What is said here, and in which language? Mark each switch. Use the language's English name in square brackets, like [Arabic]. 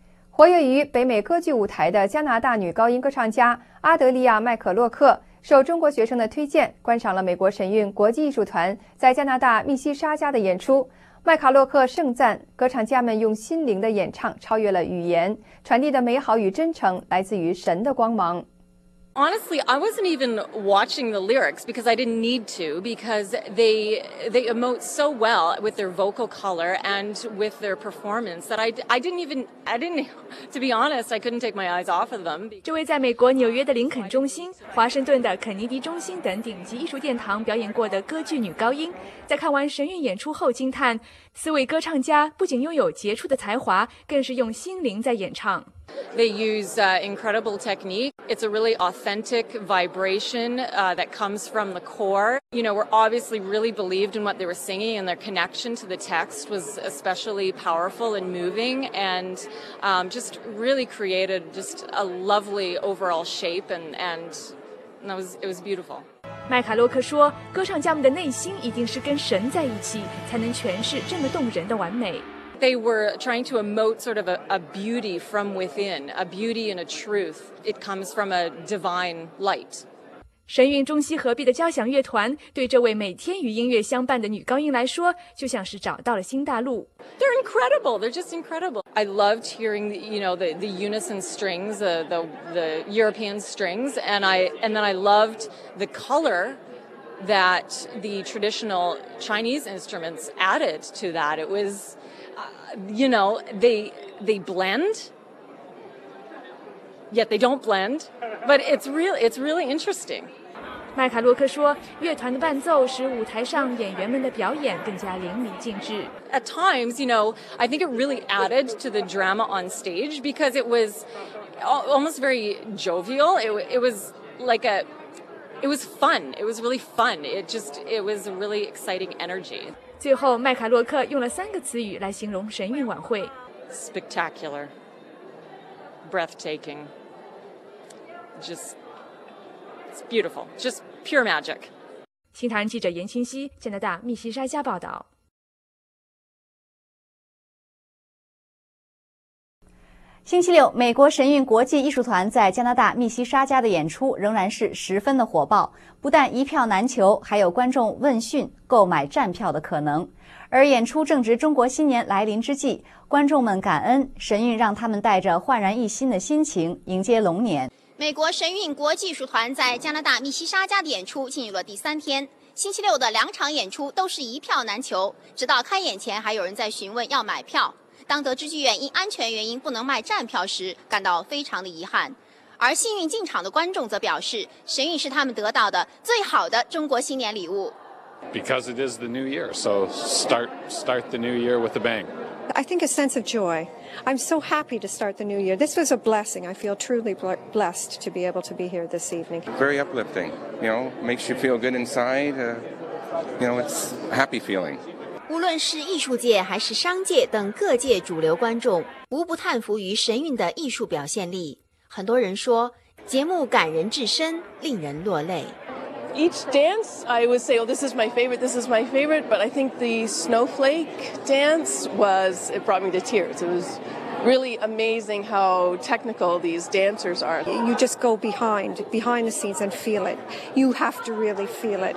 [Chinese] 活跃于北美歌剧舞台的加拿大女高音歌唱家阿德利亚·麦可洛克，受中国学生的推荐，观赏了美国神韵国际艺术团在加拿大密西沙加的演出。麦卡洛克盛赞歌唱家们用心灵的演唱超越了语言，传递的美好与真诚来自于神的光芒。 [English] Honestly, I wasn't even watching the lyrics because I didn't need to, because they emote so well with their vocal color and with their performance that I didn't, to be honest, I couldn't take my eyes off of them. [Chinese] 这位在美国纽约的林肯中心、华盛顿的肯尼迪中心等顶级艺术殿堂表演过的歌剧女高音，在看完神韵演出后惊叹，四位歌唱家不仅拥有杰出的才华，更是用心灵在演唱。 [English] They use incredible technique. It's a really authentic vibration that comes from the core. You know, we're obviously really believed in what they were singing, and their connection to the text was especially powerful and moving, and just really created just a lovely overall shape, and that was beautiful. [Chinese] 麦卡洛克说，歌唱家们的内心一定是跟神在一起，才能诠释这么动人的完美。 [English] They were trying to emote sort of a beauty from within, a beauty and a truth. It comes from a divine light. [Chinese] 神韵中西合璧的交响乐团对这位每天与音乐相伴的女高音来说，就像是找到了新大陆。 [English] They're incredible. They're just incredible. I loved hearing the unison strings, the European strings, and then I loved the color. That the traditional Chinese instruments added to that. It was, they blend, yet they don't blend, but it's really interesting. [Chinese] 麦卡洛克说，乐团的伴奏使舞台上演员们的表演更加淋漓尽致。 [English] At times, I think it really added to the drama on stage because it was almost very jovial. It was really fun. It was a really exciting energy. [Chinese] 最后，麦卡洛克用了三个词语来形容神韵晚会 [English] ：spectacular, breathtaking, just it's beautiful, just pure magic. [Chinese] 新唐人记者严清溪，加拿大密西沙加报道。星期六，美国神韵国际艺术团在加拿大密西沙加的演出仍然是十分的火爆，不但一票难求，还有观众问讯购买站票的可能。而演出正值中国新年来临之际，观众们感恩神韵让他们带着焕然一新的心情迎接龙年。美国神韵国际艺术团在加拿大密西沙加的演出进入了第三天，星期六的两场演出都是一票难求，直到开演前还有人在询问要买票。当得知剧院因安全原因不能卖站票时，感到非常的遗憾。而幸运进场的观众则表示，神韵是他们得到的最好的中国新年礼物。 [English] Because it is the new year, so start the new year with a bang. I think a sense of joy. I'm so happy to start the new year. This was a blessing. I feel truly blessed to be able to be here this evening. Very uplifting. Makes you feel good inside. It's a happy feeling. [Chinese] 无论是艺术界还是商界等各界主流观众，无不叹服于神韵的艺术表现力。很多人说，节目感人至深，令人落泪。 [English] Each dance, I would say, this is my favorite, but I think the snowflake dance it brought me to tears. It was really amazing how technical these dancers are. You just go behind the scenes and feel it. You have to really feel it.